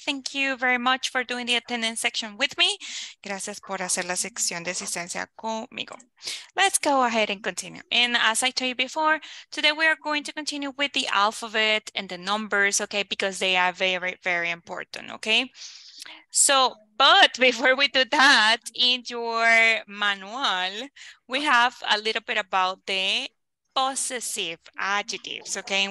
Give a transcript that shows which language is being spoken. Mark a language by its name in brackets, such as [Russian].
[English] Thank you very much for doing the attendance section with me. [Spanish] Gracias por hacer la sección de asistencia conmigo. [English] Let's go ahead and continue. And as I told you before, today we are going to continue with the alphabet and the numbers, okay, because they are very, very important, okay? So, but before we do that, in your manual, we have a little bit about the possessive adjectives, okay?